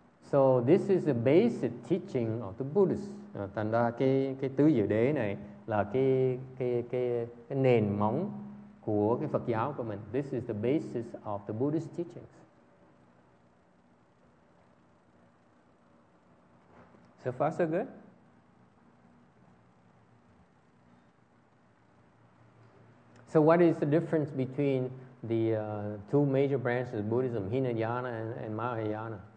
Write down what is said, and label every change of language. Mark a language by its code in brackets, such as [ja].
[en] So this is the basic teaching of the Buddhists. [vi] Thành ra cái tư duy đấy này là cái nền móng của cái Phật giáo của mình. [en] This is the basis of the Buddhist teachings. So far, so good. So what is the difference between the two major branches of Buddhism, Hinayana and Mahayana?